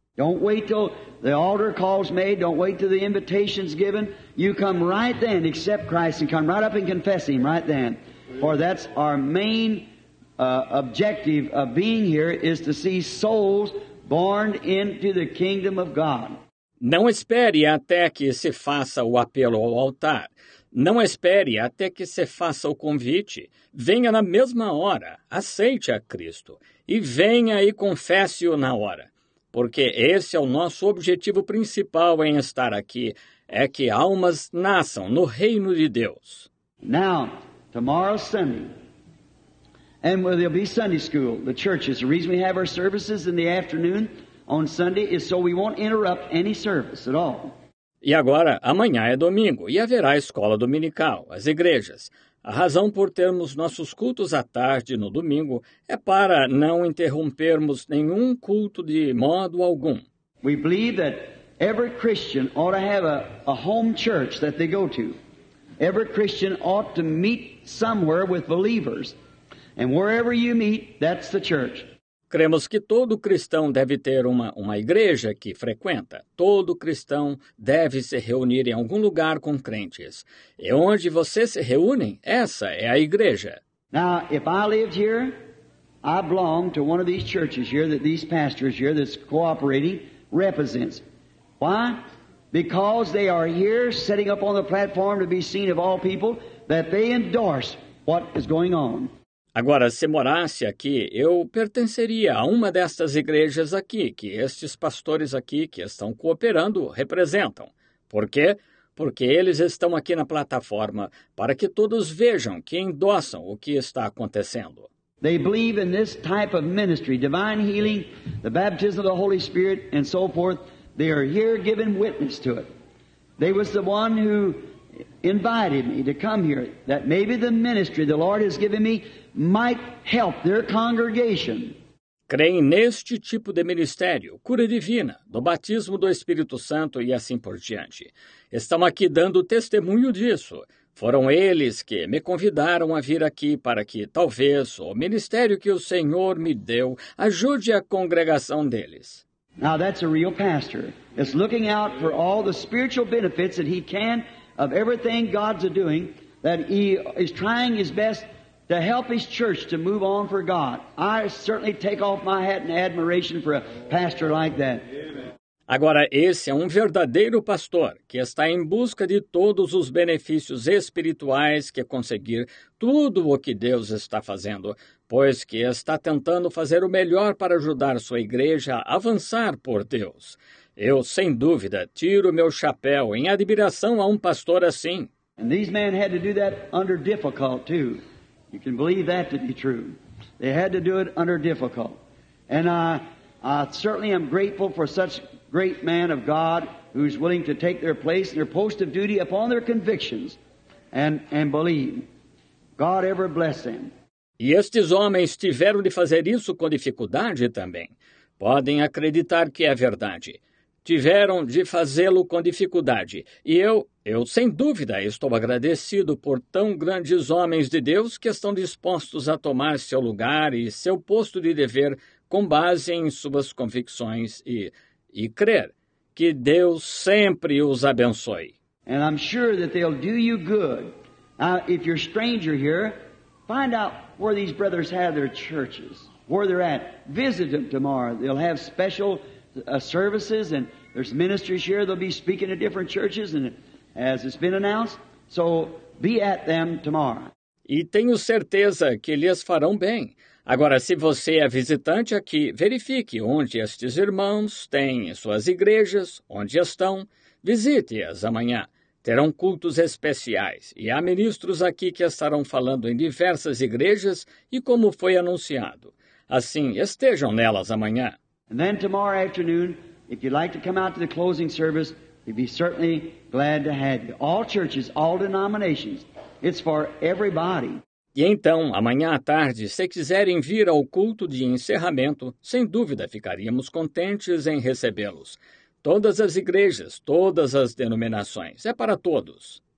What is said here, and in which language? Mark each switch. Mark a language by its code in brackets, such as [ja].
[en] Don't wait till the altar call's made, don't wait till the invitation's given. You come right then, accept Christ and come right up and confess Him right then. For that's our main objective of being here, is to see souls born into the kingdom of God. [pt] Não espere até que se faça o apelo ao altar. Não espere até que se faça o convite. Venha na mesma hora, aceite a Cristo e venha e confesse-o na hora. Porque esse é o nosso objetivo principal em estar aqui, é que almas nasçam no reino de Deus. [en] Now, tomorrow Sunday, and there'll be Sunday school, the churches. The reason we have our services in the afternoon on Sunday is so we won't interrupt any service at all. [pt] E agora, amanhã é domingo e haverá a escola dominical, as igrejas. A razão por termos nossos cultos à tarde no domingo é para não interrompermos nenhum culto de modo algum. [en] We believe that every Christian ought to have a home church that they go to. Every Christian ought to meet somewhere with believers. And wherever you meet, that's the church. [pt] Cremos que todo cristão deve ter uma igreja que frequenta. Todo cristão deve se reunir em algum lugar com crentes. E onde vocês se reúnem, essa é a igreja. [en] Now, if I lived here, I belong to one of these churches here that these pastors here that's cooperating represents. Why? Because they are here setting up on the platform to be seen of all people that they endorse what is going on. [pt] Agora, se morasse aqui, eu pertenceria a uma destas igrejas aqui, que estes pastores aqui que estão cooperando representam. Por quê? Porque eles estão aqui na plataforma para que todos vejam que endossam o que está acontecendo. [en] They believe in this type of ministry, divine healing, the baptism of the Holy Spirit, and so forth. They are here giving witness to it. They was the one who invited me to come here, that maybe the ministry the Lord has given me might help their congregation. [pt] Creem neste tipo de ministério, cura divina, do batismo do Espírito Santo e assim por diante. Estão aqui dando testemunho disso. Foram eles que me convidaram a vir aqui para que, talvez, o ministério que o Senhor me deu ajude a congregação deles. [en] Now that's a real pastor. It's looking out for all the spiritual benefits that he can of everything God's doing, that he is trying his best to help his church to move on for God. I certainly take off my hat in admiration for a pastor like that. [pt] Agora, esse é um verdadeiro pastor que está em busca de todos os benefícios espirituais que conseguir tudo o que Deus está fazendo, pois que está tentando fazer o melhor para ajudar sua igreja a avançar por Deus. Eu, sem dúvida, tiro meu chapéu em admiração a um pastor assim. [en] And these men had to do that under difficult, too. You can believe that to be true. They had to do it under difficult. And I certainly am grateful for such great man of God who's willing to take their place and their post of duty upon their convictions and believe. God ever bless them. [pt] E estes homens tiveram de fazer isso com dificuldade também. Podem acreditar que é verdade. Tiveram de fazê-lo com dificuldade. E eu sem dúvida estou agradecido por tão grandes homens de Deus que estão dispostos a tomar seu lugar e seu posto de dever com base em suas convicções e crer. Que Deus sempre os abençoe. [en] And I'm sure that they'll do you good. If you're a stranger here, find out where these brothers have their churches, where they're at. Visit them tomorrow. They'll have special services, and there's ministries here. They'll be speaking at different churches, and as it's been announced. So be at them tomorrow. [pt] E tenho certeza que lhes farão bem. Agora, se você é visitante aqui, verifique onde estes irmãos têm suas igrejas, onde estão. Visite-as amanhã. Terão cultos especiais e há ministros aqui que estarão falando em diversas igrejas e como foi anunciado. Assim, estejam nelas amanhã. [en] And then tomorrow afternoon, if you'd like to come out to the closing service, we'd be certainly glad to have you. All churches, all denominations, it's for everybody. [pt] E então, amanhã à tarde, se quiserem vir ao culto de encerramento, sem dúvida ficaríamos contentes em recebê-los. Todas as igrejas, todas as denominações, é para todos.